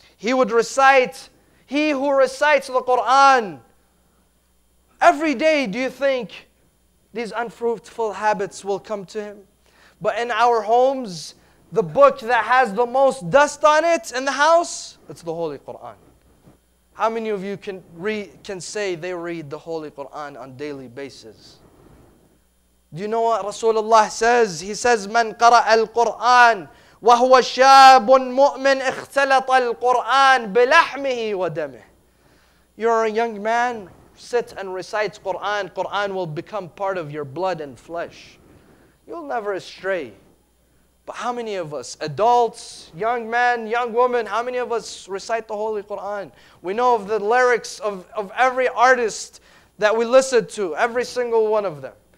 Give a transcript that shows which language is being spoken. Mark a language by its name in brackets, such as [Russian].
[English] He would recite, he who recites the Quran, every day, do you think these unfruitful habits will come to him? But in our homes, the book that has the most dust on it in the house, it's the Holy Quran. How many of you can say they read the Holy Quran on a daily basis? Do you know what Rasulullah says? He says, [Arabic] مَنْ قَرَأَ الْقُرْآنِ وَهُوَ شَابٌ مُؤْمِنْ اِخْتَلَطَ الْقُرْآنِ بِلَحْمِهِ وَدَمِهِ. [English] You're a young man, sit and recite Qur'an, Qur'an will become part of your blood and flesh. You'll never stray. But how many of us, adults, young men, young women, how many of us recite the Holy Qur'an? We know of the lyrics of every artist that we listen to, every single one of them.